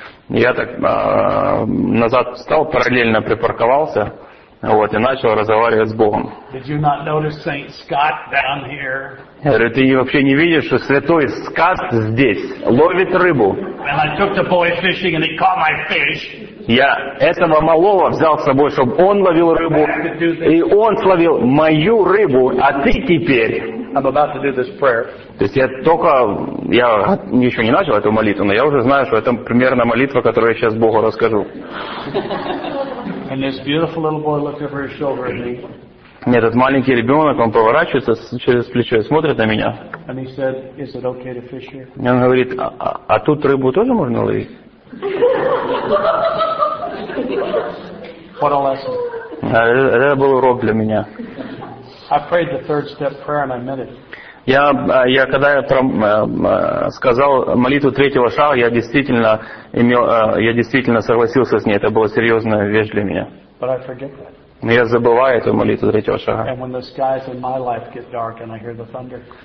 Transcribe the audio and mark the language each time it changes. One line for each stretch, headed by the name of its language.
Russian: Я так назад встал, параллельно припарковался. Вот, и начал разговаривать с Богом.
English: Did you not notice Saint Scott down here?
Russian: Я говорю, ты вообще не видишь, что святой Скотт здесь ловит рыбу?
English: And I took the boy fishing and he caught my fish.
Russian: Я этого малого взял с собой, чтобы он ловил рыбу, и он словил мою рыбу, а ты теперь...
English: I'm about to do this prayer.
Russian: То есть я еще не начал эту молитву, но я уже знаю, что это примерно молитва, которую я сейчас Богу расскажу.
English: And this beautiful little boy looked over his shoulder at me.
Russian: Нет, этот маленький ребенок, он поворачивается через плечо и смотрит на меня.
English: And he said, "Is it okay to fish here?"
Russian: И он говорит, а тут рыбу тоже можно ловить?
English: What a lesson.
Russian: Это был урок для меня.
English: I prayed the third step prayer and I meant it.
Russian: Я когда сказал молитву третьего шага, я действительно согласился с ней. Это была серьезная вещь для меня.
English: But I forget that.
Russian: Но я забываю эту молитву третьего шага.
English: And when the skies in my life get dark and I hear the thunder.